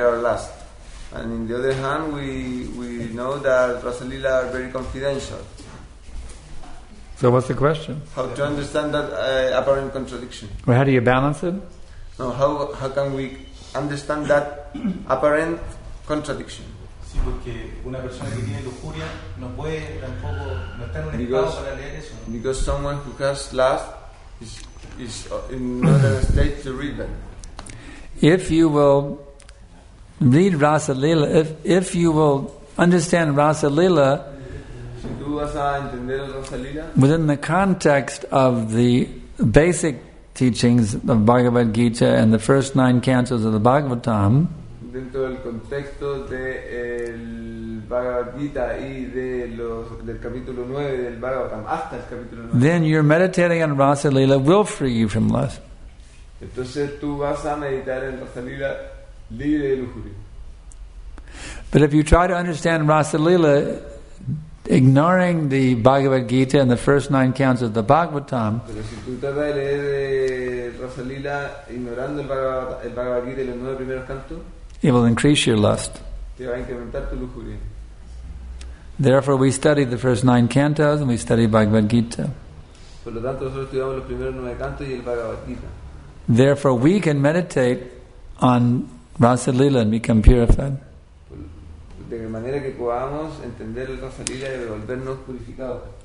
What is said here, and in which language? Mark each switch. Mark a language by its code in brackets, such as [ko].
[en] our lust, and in the other hand we know that rasa lila are very confidential. So what's the question? How to understand that apparent contradiction? Well, how do you balance it? No, how can we understand that apparent contradiction? [es] Sí, porque una persona que tiene lujuria no puede tampoco no está en un estado para leer eso. [en] Because someone who has lust is in not in a state to read that. If you will read Rasa Lila, if you will understand Rasa Lila, [es] si tú vas a entender Rasa Lila [en] within the context of the basic teachings of Bhagavad Gita and the first 9 cantos of the Bhagavatam, [es] dentro del contexto de el Bhagavad Gita y de los del capítulo 9 del Bhagavatam hasta el capítulo 9, [en] then your meditating on Rasa Lila will free you from lust. [es] Entonces tú vas a meditar en Rasa Lila libre de lujuria. [en] But if you try to understand Rasa Lila ignoring the Bhagavad Gita and the first 9 cantos of the Bhagavatam, [es] pero si tú tratas de leer Rasa Lila ignorando el Bhagavad Gita y los 9 primeros cantos, [en] it will increase your lust. [es] Te va a incrementar tu lujuria. [en] Therefore we study the first 9 cantos and we study Bhagavad Gita. [es] Por lo tanto nosotros estudiamos los primeros 9 cantos y el Bhagavad Gita. [en] Therefore we can meditate on Rasa Lila and become purified. [es] De manera que podamos entender el Rasa Lila y volvernos purificados.